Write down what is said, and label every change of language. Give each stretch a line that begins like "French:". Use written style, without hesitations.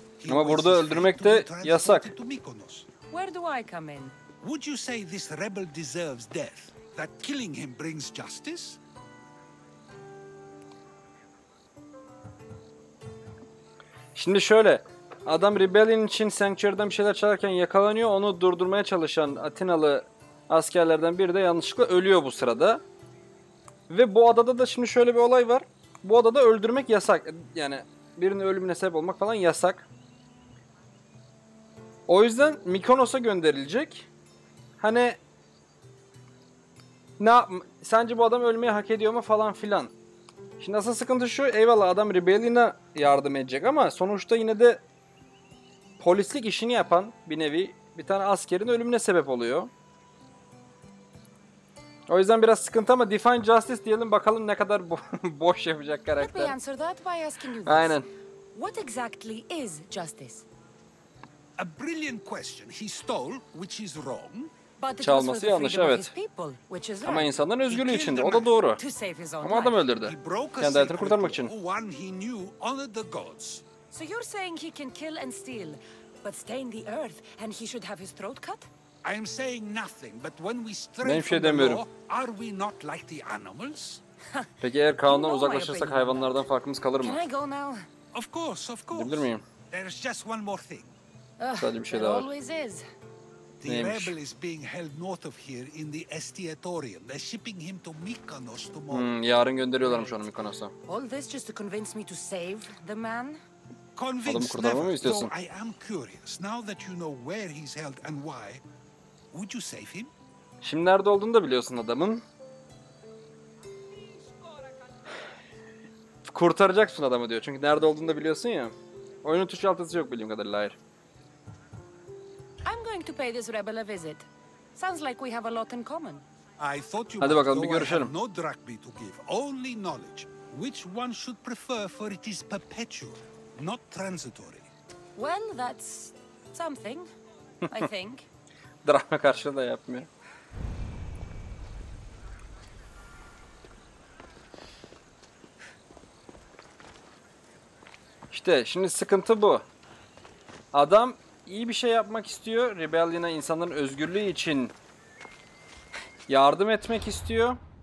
Turkish: Ama burada öldürmek de yasak.
English: Where do I come in? Would you say this rebel deserves death? That killing him brings justice?
Turkish: Şimdi şöyle, adam rebellion için sanctuary'den bir şeyler çalarken yakalanıyor. Onu durdurmaya çalışan Atinalı askerlerden biri de yanlışlıkla ölüyor bu sırada. Ve bu adada da şimdi şöyle bir olay var. Bu adada öldürmek yasak. Yani birinin ölümüne sebep olmak falan yasak. O yüzden Mykonos'a gönderilecek. Hani ne yap, sence bu adam ölmeyi hak ediyor mu falan filan. Şimdi asıl sıkıntı şu, eyvallah adam Rebellion'a yardım edecek ama sonuçta yine de polislik işini yapan bir nevi bir tane askerin ölümüne sebep oluyor. O yüzden biraz sıkıntı ama
English: Define Justice
Turkish: diyelim bakalım ne kadar boş yapacak karakter.
English: Let me answer that by asking you this.
Turkish: Aynen.
English: What exactly is justice? A brilliant question. He stole, which is wrong.
Turkish: Çalması yanlış, evet. Ama insanların özgürlüğü için, o da doğru. Ama adam öldürdü. Kendi hayatını kurtarmak için.
English: So you're saying he can kill and steal, but stain the earth and he should have his throat cut? I am saying nothing, but when we stray from the law, are we not like the animals?
Turkish: Peki eğer kanundan uzaklaşırsak hayvanlardan farkımız kalır mı?
English: Can I go now? Of course, of course.
Turkish: Bilir miyim?
English: There's just one more thing.
Turkish: Sadece bir şey daha var.
English: Always is. The rebel is being held north of here in the Estiatorium. They're shipping him to Mykonos tomorrow.
Turkish: Hmm, yarın gönderiyorlarmış onu Mykonos'a.
English: All this just to convince me to save the man?
Turkish: Adamı kurtarmamı mı istiyorsun?
English: I am curious. Now that you know where he's held and why, would you save him?
Turkish: Şimdi nerede olduğunu da biliyorsun adamın. Kurtaracaksın adamı diyor. Çünkü nerede olduğunu da biliyorsun ya. Oyunun tuş altısı yok bildiğim kadarıyla. Hayır.
English: I'm going to pay this rebel a visit. Sounds like we have a lot in common. I thought you
Turkish: hadi bakalım bir görüşelim.
English: No drachmi to give, only knowledge. Which one should prefer, for it is perpetual, not transitory. Well, that's something, I think.
Turkish: Drachma karşılığı da yapmıyor. İşte şimdi sıkıntı bu. Adam İyi bir şey yapmak istiyor. Rebellion'a insanların özgürlüğü için yardım etmek istiyor.